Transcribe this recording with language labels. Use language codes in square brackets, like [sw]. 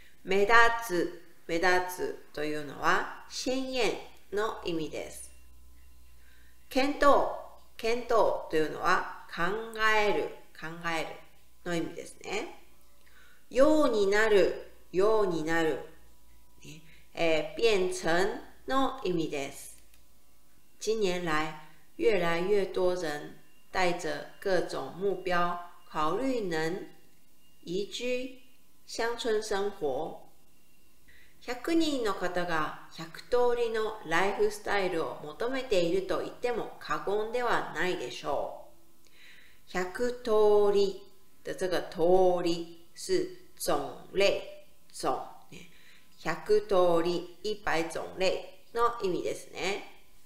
[ja] 目立つというのは鮮艶の意味です。検討というのは考えるの意味ですね。ようになる、变成の意味です。 [zh] 近年来越来越多人带着各种目标考虑能移居乡村生活。 [ja] 100人の方が100通りのライフスタイルを求めていると言っても過言ではないでしょう。 [zh] 100通り的这个通り是种类种、100通り100种类 [ja] の意味ですね。